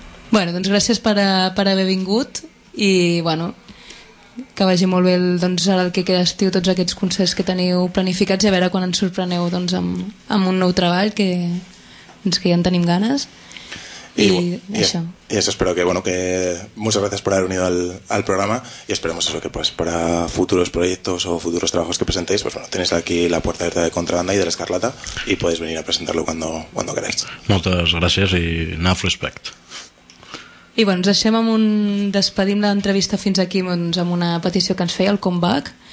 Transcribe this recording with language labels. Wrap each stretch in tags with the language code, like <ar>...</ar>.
<ca>Bueno, doncs gràcies per haver vingut. I bueno, que vagi molt bé doncs, ara el que queda estiu, tots aquests concerts que teniu planificats, i a veure quan ens sorpreneu doncs, amb un nou treball que ja en tenim ganes. I això</ca> <es>espero que, bueno, que muchas gracias por haber unido al programa, y esperemos eso, que pues para futuros proyectos o futuros trabajos que presentéis, pues bueno, tenéis aquí la puerta abierta de Contrabanda y de la Escarlata, y podéis venir a presentarlo cuando queráis.</es> <ca>Moltes gràcies i</ca> <en>enough respect.</en> <ca>I bueno, despedim l'entrevista fins aquí doncs, amb una petició que ens feia el comeback.</ca>